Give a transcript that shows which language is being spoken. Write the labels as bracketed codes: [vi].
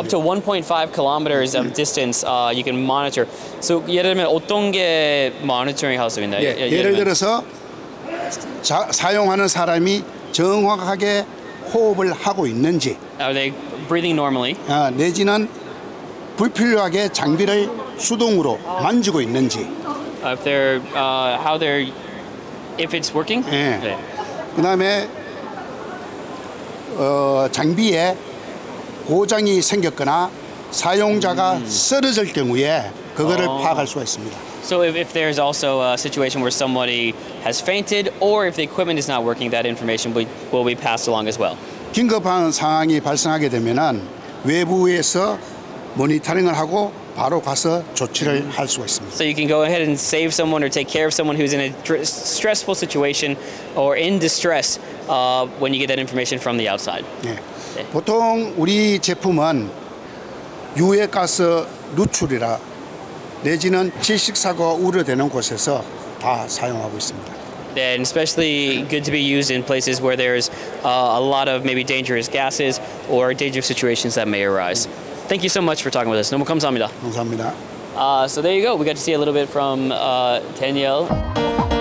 [en] Up to 1.5 kilometers of distance you can monitor. [ko] So 예를 들면 어떤 게 모니터링 할 수 있나요? 예, 예를 들어서 사용하는 사람이 정확하게 호흡을 하고 있는지 [en] Are they breathing normally? [ko] 내지는 불필요하게 장비를 수동으로 만지고 있는지 [en] If they're, how they're, if it's working? [ko] 예. 네. 그 다음에 장비에 고장이 생겼거나 사용자가 쓰러질 경우에 그거를 파악할 수가 있습니다. [en] So if there's also a situation where somebody has fainted or if the equipment is not working, that information will be passed along as well. [ko] 긴급한 상황이 발생하게 되면은 외부에서 모니터링을 하고 바로 가서 조치를 할 수가 있습니다. [en] So you can go ahead and save someone or take care of someone who's in a stressful situation or in distress when you get that information from the outside. [ko] 네. 보통 우리 제품은 유해가스 누출이라 내지는 질식사고가 우려되는 곳에서 다 사용하고 있습니다. [en] And especially good to be used in places where there's a lot of maybe dangerous gases or dangerous situations that may arise. Thank you so much for talking with us. [ko] 너무 감사합니다. 감사합니다. [en] So there you go. We got to see a little bit from Danielle.